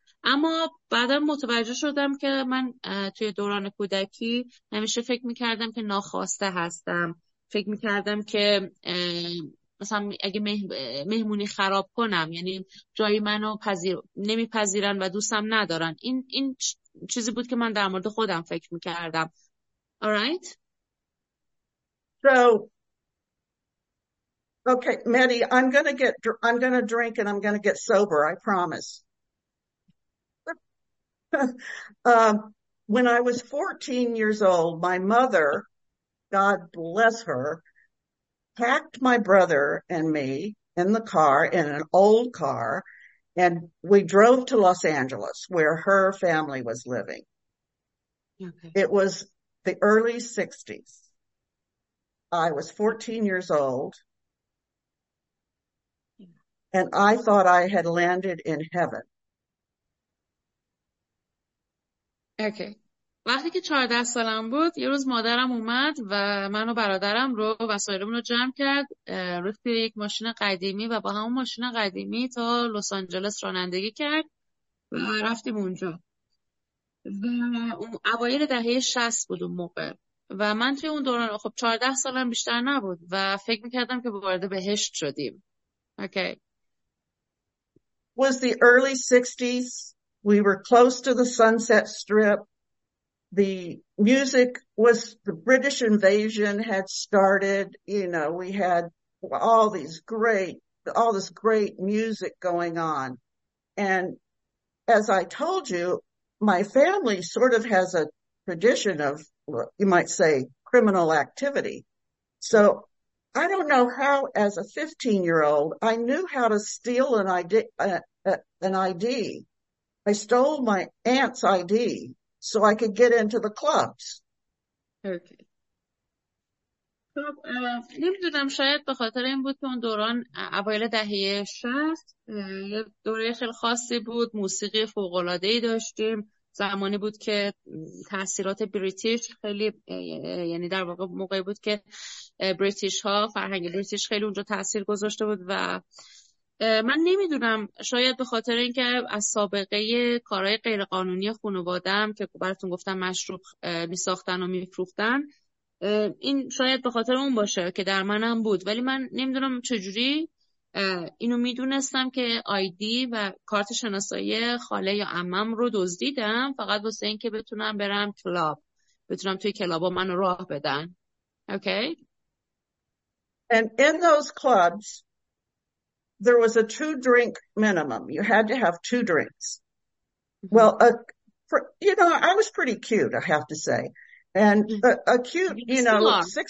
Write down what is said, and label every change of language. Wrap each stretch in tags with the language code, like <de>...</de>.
<fa>اما بعدم متوجه شدم که من توی دوران کودکی همیشه فکر میکردم که ناخواسته هستم. فکر میکردم که مثلا اگه مهمونی خراب کنم، یعنی جای منو نمیپذیرن و دوستم ندارن. این چیزی بود که من در مورد خودم فکر میکردم.</fa> <en>All right. So, okay, Mehdi, I'm gonna drink and I'm gonna get sober, I promise. When I was 14 years old, my mother, God bless her, packed my brother and me in the car, in an old car, and we drove to Los Angeles where her family was living. Okay. It was the early 60s. I was 14 years old, and I thought I had landed in heaven.</en> <fa>اوکی وقتی که 14 سالم بود یه روز مادرم اومد و من و برادرم رو وسایلمون رو جمع کرد روی یک ماشین قدیمی و با همون ماشین قدیمی تا لس آنجلس رانندگی کرد و رفتیم اونجا و اوایل دهه 60 بود اون موقع و من توی اون دوران خب 14 سالم بیشتر نبود و فکر میکردم که وارد بهشت شدیم.</fa> <en>Okay Was the early 60s. We were close to the Sunset Strip. The music was the British invasion had started. We had all this great music going on. And as I told you, my family sort of has a tradition of, you might say, criminal activity. So I don't know how, as a 15-year-old, I knew how to steal an idea. An ID. I stole my aunt's ID so I could get into the clubs.</en> <fa>اوکی نمیدونم شاید به خاطر این بود که اون دوران اوایل دهه 60 یه دوره خیلی خاصی بود، موسیقی فوق‌العاده‌ای داشتیم، زمانی بود که تأثیرات بریتیش خیلی، یعنی در واقع موقعی بود که بریتیش ها فرهنگ بریتیش خیلی اونجا تأثیر گذاشته بود و من نمیدونم شاید به خاطر اینکه از سابقه کارهای غیرقانونی خانواده‌ام که براتون گفتم مشروب میساختن و میفروختن این شاید به خاطر اون باشه که در منم بود، ولی من نمیدونم چجوری اینو میدونستم که آیدی و کارت شناسایی خاله یا عمم رو دزدیدم فقط واسه اینکه بتونم برم کلاب، بتونم توی کلابا منو راه بدن.</fa> <en>Okay okay. And in those clubs, there was a two-drink minimum. You had to have two drinks. Well, I was pretty cute, I have to say. And a cute, You still are.</en>